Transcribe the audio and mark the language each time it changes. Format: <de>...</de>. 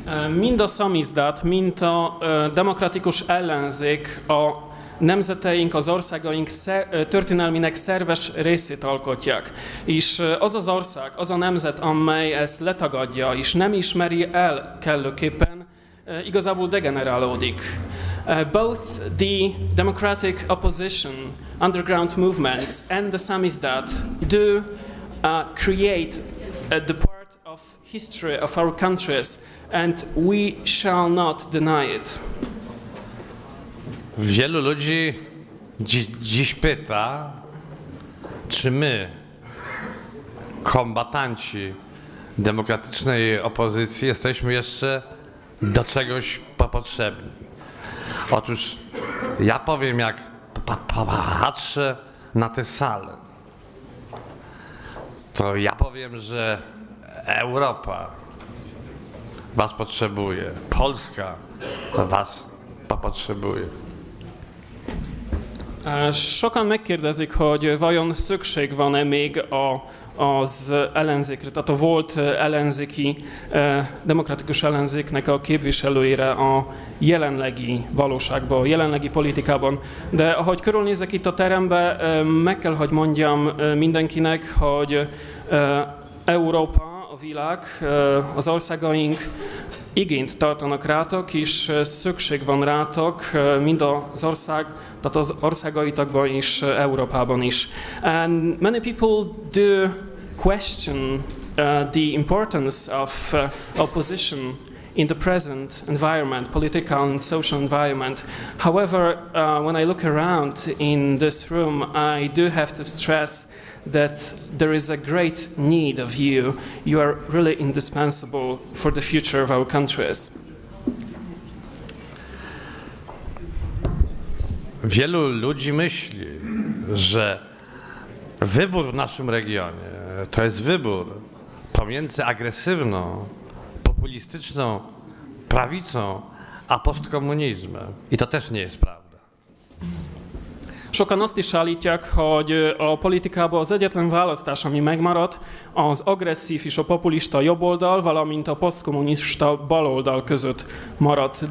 <hu>Mind a samizdat, mind a demokratikus ellenzék a nemzeteink, az országaink történelmének szerves részét alkotják. És az az ország, az a nemzet, amely ezt letagadja és nem ismeri el kellőképpen, igazából degenerálódik.</hu> <en>Both the democratic opposition, underground movements and the Samizdat do create the part of history of our countries, and we shall not deny it.</en> <pl>Wielu ludzi dziś pyta, czy my, kombatanci demokratycznej opozycji, jesteśmy jeszcze do czegoś potrzebni. Otóż ja powiem, jak patrzę na tę salę, to ja powiem, że Europa was potrzebuje, Polska was potrzebuje.</pl> <hu>Sokan megkérdezik, hogy vajon szükség van-e még az ellenzékre, tehát a volt ellenzéki, demokratikus ellenzéknek a képviselőire a jelenlegi valóságban, a jelenlegi politikában. De ahogy körülnézek itt a terembe, meg kell, hogy mondjam mindenkinek, hogy Európa, a világ, az országaink igényt tartanak rátok, és szükség van rátok mind az ország, tehát az országaitokban is, Európában is.</hu> <en>And many people do question the importance of opposition in the present environment, political and social environment. However, when I look around in this room, I do have to stress that there is a great need of you. You are really indispensable for the future of our countries.</en> <pl>Wielu ludzi myśli, że wybór w naszym regionie to jest wybór pomiędzy agresywną, populistyczną prawicą a postkomunizmem. I to też nie jest prawda.</pl> <hu>Sokan azt is állítják, hogy a politikában az egyetlen választás, ami megmaradt, az agresszív és a populista jobboldal, valamint a posztkommunista baloldal között maradt.</hu>